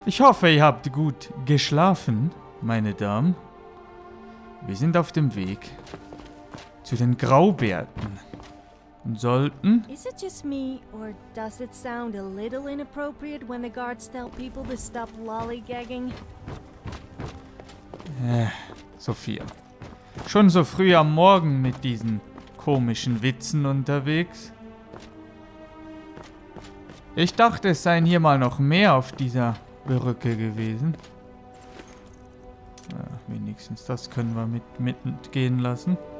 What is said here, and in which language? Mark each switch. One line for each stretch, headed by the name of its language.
German: Ich hoffe, ihr habt gut geschlafen, meine Damen. Wir sind auf dem Weg zu den Graubärten und sollten...
English: Is it just me, or does it sound a little inappropriate when the guards tell people to stop lollygagging?
German: Sophia. Schon so früh am Morgen mit diesen komischen Witzen unterwegs? Ich dachte, es seien hier mal noch mehr auf dieser Brücke gewesen. Ja, wenigstens das können wir mitgehen lassen.